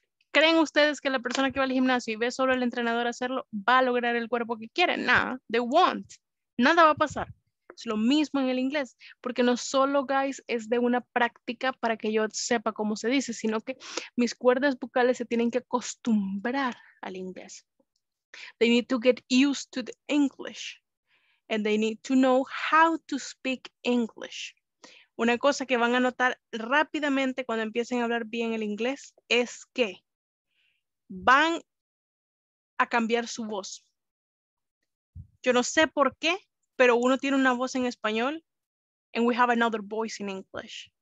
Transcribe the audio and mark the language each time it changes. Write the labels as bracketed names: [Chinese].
[Spanish] ¿Creen ustedes que la persona que va al gimnasio y ve solo al entrenador hacerlo, va a lograr el cuerpo que quiere? [English] Nah, they won't. [Spanish] Nada va a pasar. Es lo mismo en el inglés. Porque no solo, guys, es de una práctica para que yo sepa cómo se dice, sino que mis cuerdas vocales se tienen que acostumbrar al inglés. [English] They need to get used to the English. And they need to know how to speak English. [Spanish] Una cosa que van a notar rápidamente cuando empiecen a hablar bien el inglés es que van a cambiar su voz. Yo no sé por qué, pero uno tiene una voz en español [English] and we have another voice in English.